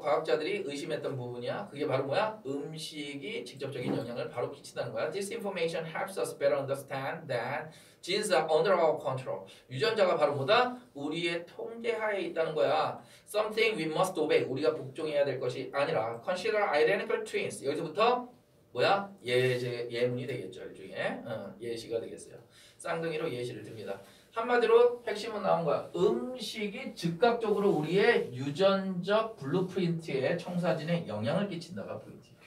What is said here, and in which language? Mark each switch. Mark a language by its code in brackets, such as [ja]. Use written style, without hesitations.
[ko] 과학자들이 의심했던 부분이야. 그게 바로 뭐야? 음식이 직접적인 영향을 바로 끼친다는 거야. [en] This information helps us better understand that genes are under our control. [ko] 유전자가 바로 뭐다? 우리의 통제하에 있다는 거야. [en] Something we must obey. [ko] 우리가 복종해야 될 것이 아니라 [en] consider identical twins. [ko] 여기서부터 뭐야? 예문이 되겠죠. 일종의 예시가 되겠어요. 쌍둥이로 예시를 듭니다. 한마디로 핵심은 나온 거야. 음식이 즉각적으로 우리의 유전적 블루프린트의 청사진에 영향을 끼친다가 포인트야.